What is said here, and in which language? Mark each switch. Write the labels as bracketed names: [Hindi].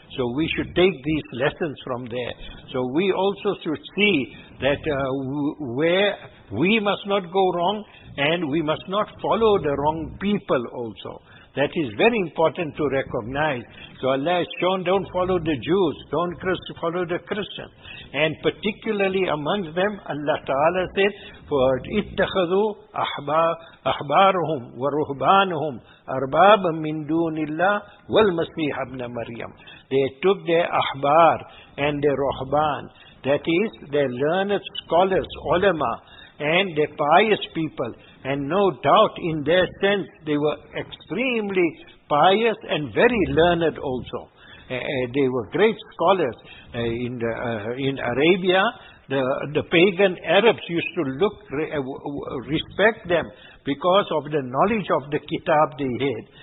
[English] So we should take these lessons from there. So we also should see that where we must not go wrong, and we must not follow the wrong people also. That is very important to recognize. So Allah has shown, don't follow the Jews, don't follow the Christians. And particularly amongst them, Allah Ta'ala said, [Arabic] فَاتَّخَذُوا أَحْبَارُهُمْ وَرُهْبَانُهُمْ أَرْبَابًا مِّن دُونِ اللَّهِ وَالْمَسِيحَ ابْنَ مَرْيَمَ. [English] They took their ahbar and their ruhban, that is, their learned scholars, ulama, and their pious people. And no doubt in their sense, they were extremely pious and very learned also. They were great scholars. In Arabia, the pagan Arabs used to look respect them because of the knowledge of the kitab they had.